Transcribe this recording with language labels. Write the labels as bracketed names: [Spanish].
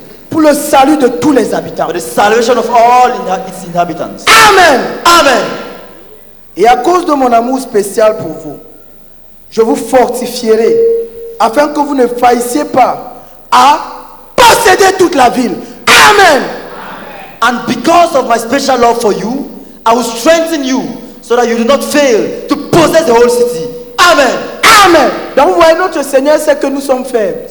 [French] pour le salut de tous les habitants, [English] for the salvation of all its inhabitants. Amen, amen. [French] Et à cause de mon amour spécial pour vous, je vous fortifierai afin que vous ne faillissiez pas à posséder toute la ville. Amen. Amen. [English] And because of my special love for you, I will strengthen you so that you do not fail to possess the whole city. Amen. Amen. [French] Donc vous voyez, notre Seigneur sait que nous sommes faibles.